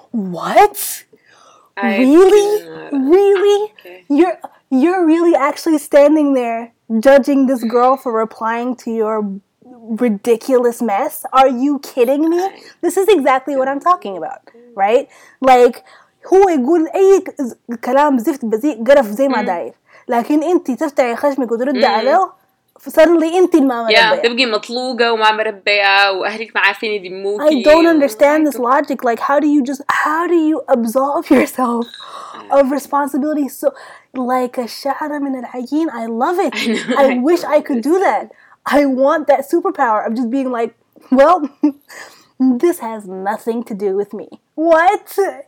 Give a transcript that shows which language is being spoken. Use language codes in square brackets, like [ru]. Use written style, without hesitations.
[en] What? Really? Okay. You're really actually standing there judging this girl for replying to your ridiculous mess? Are you kidding me? This is exactly what I'm talking about, right? [ar] Like, هو يقول أي كلام زفت بزيء قرف زي ما داير. لكن أنت تفتعي خشمك وترد عليه. Suddenly, أنت ما مربية. Yeah, تبقي مطلوقة وما مربية وأهلك ما عارفين يدموكي. [en] I don't understand this logic. Like, how do you absolve yourself of responsibility? So, like a [ar] شعرة من العجين, [en] I love it. I wish I could do that. I want that superpower of just being like, well, this has nothing to do with me. What?